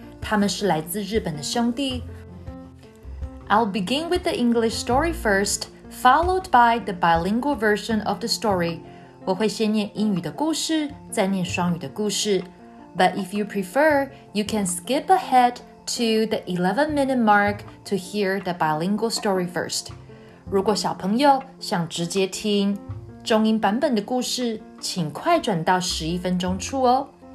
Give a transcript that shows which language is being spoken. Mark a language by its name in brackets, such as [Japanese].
[Chinese] 他们是来自日本的兄弟。 [English] I'll begin with the English story first, followed by the bilingual version of the story. [Chinese] 我会先念英语的故事，再念双语的故事。 [English] But if you prefer, you can skip ahead to the 11-minute mark to hear the bilingual story first. [Chinese] 如果小朋友想直接听中英版本的故事，请快转到11分钟处哦。